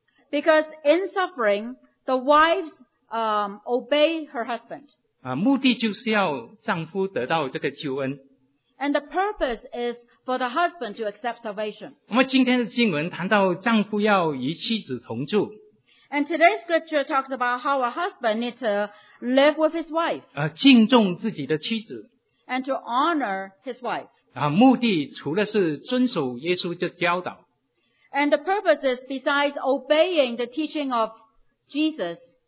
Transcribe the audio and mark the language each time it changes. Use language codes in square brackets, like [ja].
[en] Because in suffering, the wives obey her husband. [zh] 目的就是要丈夫得到这个救恩。 [en] And the purpose is for the husband to accept salvation. [zh] 那么今天的经文谈到丈夫要与妻子同住。 [en] And today's scripture talks about how a husband needs to live with his wife. [zh] 敬重自己的妻子。 [en] And to honor his wife. [zh] 目的除了是遵守耶稣的教导。 [en] And the purpose is besides obeying the teaching of Jesus.